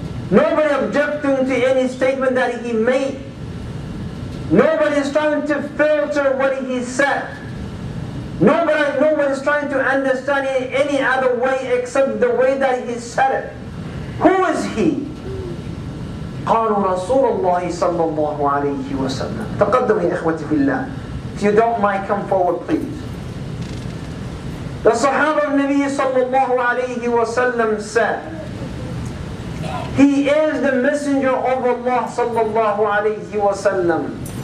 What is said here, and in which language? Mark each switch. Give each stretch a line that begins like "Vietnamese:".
English: Nobody objecting to any statement that he made. Nobody is trying to filter what he said. No one is trying to understand it in any other way except the way that he said it. Who is he?
Arabic: قالوا رسول الله صلى الله عليه وسلم. تقدموا يا إخوتي في الله.
English: If you don't mind, come forward, please. The Sahaba of Nabi sallallahu alayhi wa sallam said, he is the messenger of Allah sallallahu alayhi wa sallam.